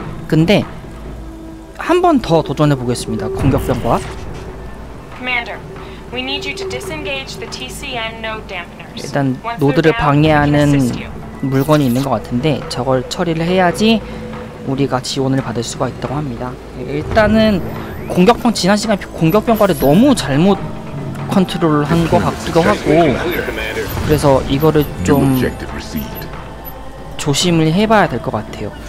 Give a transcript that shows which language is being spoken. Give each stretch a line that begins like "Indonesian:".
Korean: 근데 한 번 더 도전해 보겠습니다. 공격 병과.
English: Commander, we need you to disengage the TCN node dampeners.
Korean: 일단 노드를 방해하는 물건이 있는 것 같은데 저걸 처리를 해야지 우리가 지원을 받을 수가 있다고 합니다. 일단은 공격병, 지난 시간 공격병과를 너무 잘못 컨트롤을 한 것 같기도 하고, 그래서 이거를 좀 조심을 해봐야 될 것 같아요.